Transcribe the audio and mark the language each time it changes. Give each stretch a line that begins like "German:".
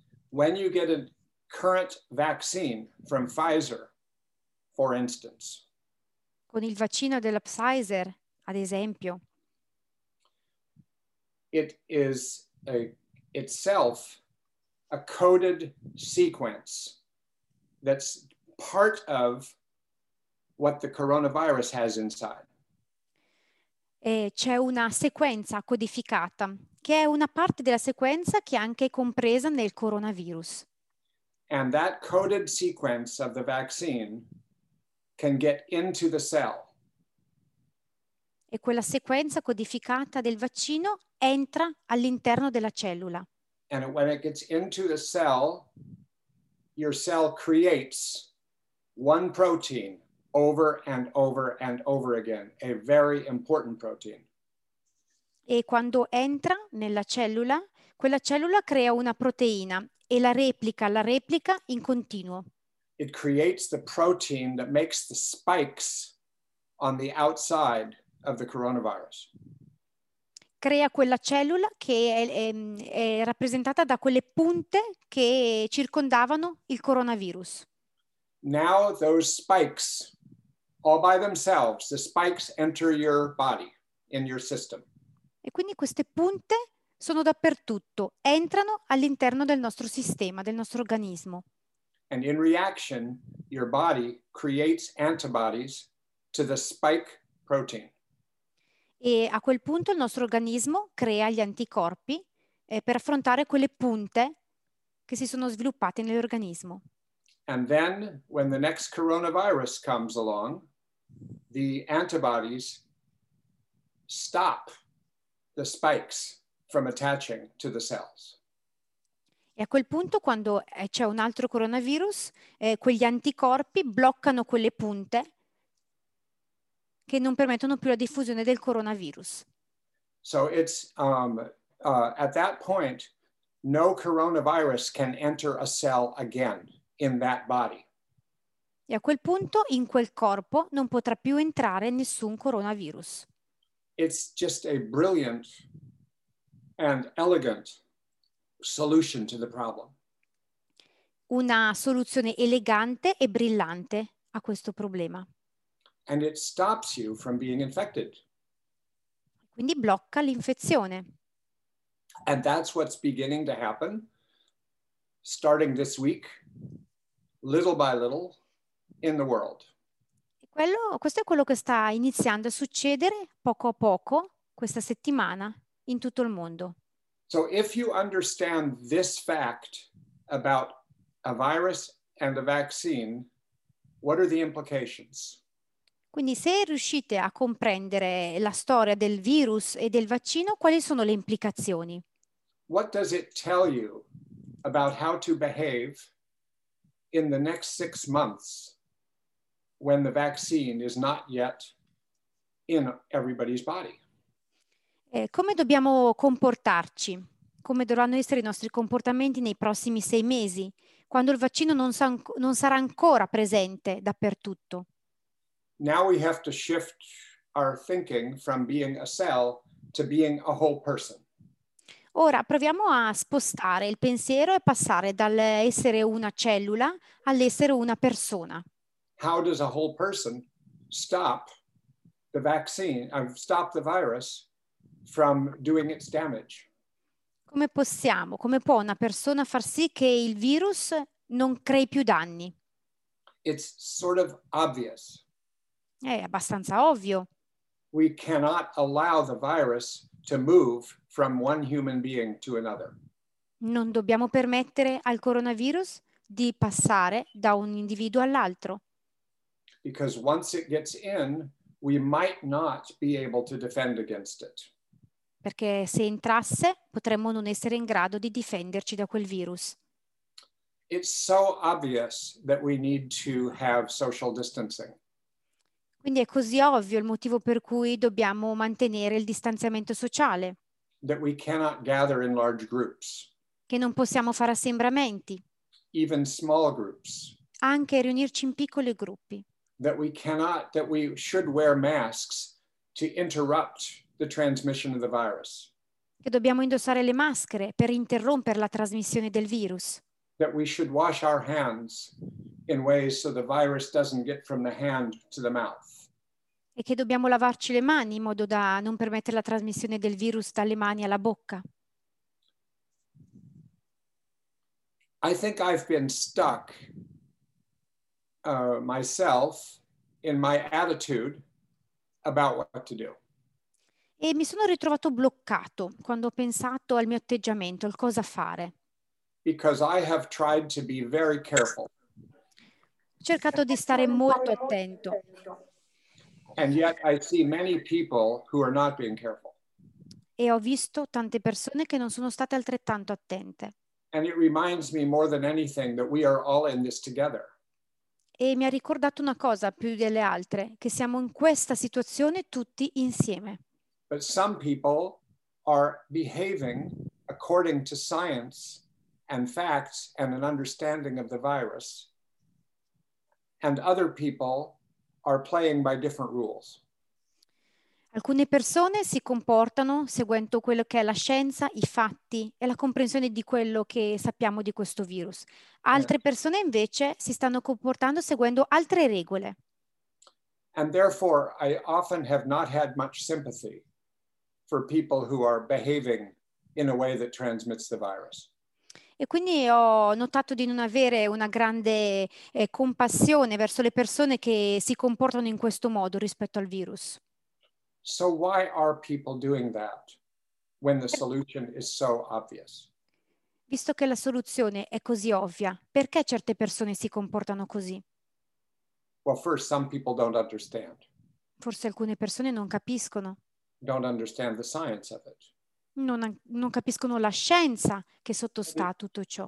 English: When you get a current vaccine from Pfizer, for instance.
Italian: Con il vaccino della Pfizer, ad esempio.
English: It is a, itself a coded sequence that's part of what the coronavirus has inside.
Italian: E c'è una sequenza codificata, che è una parte della sequenza che è anche compresa nel coronavirus.
English: And that coded sequence of the vaccine can get into the cell.
Italian: E quella sequenza codificata del vaccino entra all'interno della cellula.
English: And when it gets into the cell, your cell creates one protein over and over and over again, a very important protein.
Italian: E quando entra nella cellula, quella cellula crea una proteina e la replica in continuo.
English: It creates the protein that makes the spikes on the outside of the coronavirus.
Italian: Crea quella cellula che è rappresentata da quelle punte che circondavano il coronavirus.
English: Now those spikes, all by themselves, the spikes enter your body, in your system.
Italian: E quindi queste punte sono dappertutto, entrano all'interno del nostro sistema, del nostro organismo.
English: And in reaction, your body creates antibodies to the spike protein.
Italian: E a quel punto il nostro organismo crea gli anticorpi per affrontare quelle punte che si sono sviluppate nell'organismo.
English: And then, when the next coronavirus comes along, the antibodies stop the spikes from attaching to the cells.
Italian: E a quel punto, quando c'è un altro coronavirus, quegli anticorpi bloccano quelle punte che non permettono più la diffusione del coronavirus.
English: So it's at that point no coronavirus can enter a cell again in that body.
Italian: E a quel punto in quel corpo non potrà più entrare nessun coronavirus.
English: It's just a brilliant and elegant solution to the problem.
Italian: Una soluzione elegante e brillante a questo problema.
English: And it stops you from being infected.
Italian: Quindi blocca l'infezione.
English: And that's what's beginning to happen, starting this week, little by little, in the world.
Italian: Questo è quello che sta iniziando a succedere poco a poco, questa settimana in tutto il mondo.
English: So if you understand this fact about a virus and a vaccine, what are the implications?
Italian: Quindi se riuscite a comprendere la storia del virus e del vaccino, quali sono le implicazioni?
English: What does it tell you about how to behave in the next 6 months when the vaccine is not yet in everybody's body?
Italian: Come dobbiamo comportarci? Come dovranno essere i nostri comportamenti nei prossimi 6 mesi, quando il vaccino non sarà ancora presente dappertutto?
English: Now we have to shift our thinking from being a cell to being a whole person.
Italian: Ora proviamo a spostare il pensiero e passare dall'essere una cellula all'essere una persona.
English: How does a whole person stop the virus from doing its damage?
Italian: Come può una persona far sì che il virus non crei più danni?
English: It's sort of obvious.
Italian: È abbastanza ovvio.
English: We cannot allow the virus to move from one human being to another.
Italian: Non dobbiamo permettere al coronavirus di passare da un individuo all'altro.
English: Because once it gets in, we might not be able to defend against it.
Italian: Perché se entrasse, potremmo non essere in grado di difenderci da quel virus.
English: It's so obvious that we need to have social distancing.
Italian: Quindi è così ovvio il motivo per cui dobbiamo mantenere il distanziamento sociale.
English: That we cannot gather in large groups.
Italian: Che non possiamo fare assembramenti.
English: Even small groups.
Italian: Anche riunirci in piccoli gruppi.
English: That we should wear masks to interrupt the transmission of the virus.
Italian: Che dobbiamo indossare le maschere per interrompere la trasmissione del virus.
English: That we should wash our hands in ways so the virus doesn't get from the hand to the mouth.
Italian: E che dobbiamo lavarci le mani in modo da non permettere la trasmissione del virus dalle mani alla bocca.
English: I think I've been stuck myself in my attitude about what to do.
Italian: E mi sono ritrovato bloccato quando ho pensato al mio atteggiamento, al cosa fare.
English: Because I have tried to be very careful.
Italian: Ho cercato di stare molto attento.
English: And yet I see many people who are not being careful.
Italian: E ho visto tante persone che non sono state altrettanto attente.
English: And it reminds me more than anything that we are all in this together.
Italian: E mi ha ricordato una cosa più delle altre, che siamo in questa situazione tutti insieme.
English: But some people are behaving according to science and facts and an understanding of the virus. And other people are playing by different rules.
Italian: Alcune persone si comportano seguendo quello che è la scienza, i fatti e la comprensione di quello che sappiamo di questo virus. Altre persone invece si stanno comportando seguendo altre regole.
English: And therefore, I often have not had much sympathy for people who are behaving in a way that transmits the virus.
Italian: E quindi ho notato di non avere una grande compassione verso le persone che si comportano in questo modo rispetto al virus.
English: So why are people doing that when the solution is so obvious?
Italian: Visto che la soluzione è così ovvia, perché certe persone si comportano così?
English: Well, first, some people don't understand.
Italian: Forse alcune persone non capiscono.
English: Don't understand the science of it.
Italian: Non capiscono la scienza che sottostà a tutto ciò.